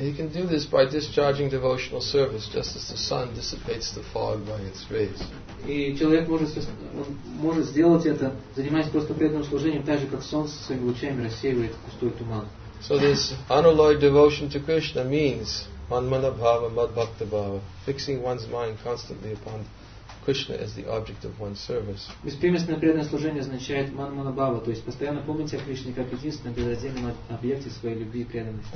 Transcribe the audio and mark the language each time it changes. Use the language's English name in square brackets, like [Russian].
[English] He can do this by discharging devotional service, just as the sun dissipates the fog by its rays. [Russian] И человек может сделать это, занимаясь просто преданным служением, так же, как солнце своими лучами рассеивает густой туман. [English] So this unalloyed devotion to Krishna means manmanabhava madbhaktabhava, fixing one's mind constantly upon Krishna as the object of one's service. [Russian] Беспримесное преданное служение означает манмана-бхава, то есть постоянно помнить о Кришне как единственном безраздельном объекте своей любви и преданности.